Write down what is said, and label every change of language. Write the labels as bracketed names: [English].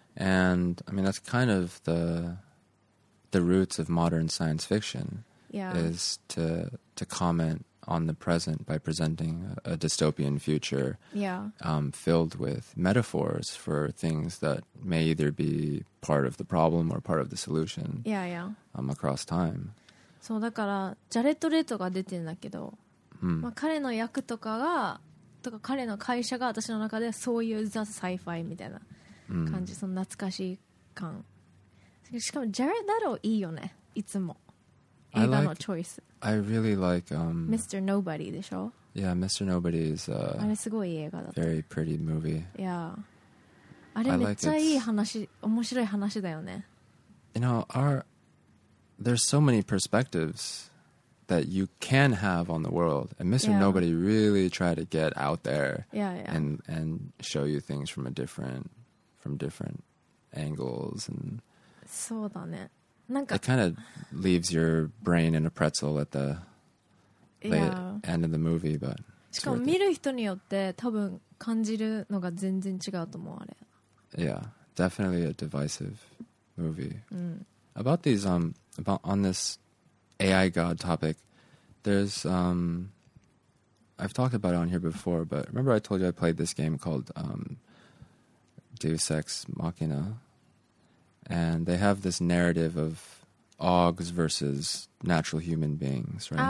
[English] And, I mean, that's kind of the roots of modern science fiction、 yeah. is to comment on the present by presenting a dystopian future、 yeah. Filled with metaphors for things that may either be part of the problem or part of the solution yeah, yeah.、 Across time. [Japanese] So, だからジャレット・レトが出てるんだけど、まあ、彼の役とかがとか彼の会社が私の中でそういう The Sci-Fi みたいな感じその懐かしい感しかもジャレッド・レトいいよねいつも映画のチョイス [English] I really like [Japanese] Mr. Nobody でしょ [English] Yeah, Mr. Nobody is [Japanese] あれすごい映画だった [English] Very pretty movie [Japanese] Yeah あれめっちゃいい話面白い話だよね [English] You know, there's so many perspectives that you can have on the world and Mr. Yeah. Nobody really try to get out there yeah. And show you things from a differentfrom different angles and [Japanese] そうだね。なんか [English] it kind of leaves your brain in a pretzel at the late end of the movie but [Japanese] しかも見る人によって多分感じるのが全然違うと思うあれ。 [English] Yeah, definitely a divisive movie. Mm. About these about on this AI god topic, there's I've talked about it on here before, but remember I told you I played this game called Deus Ex Machina and they have this narrative of Augs versus natural human beings, right?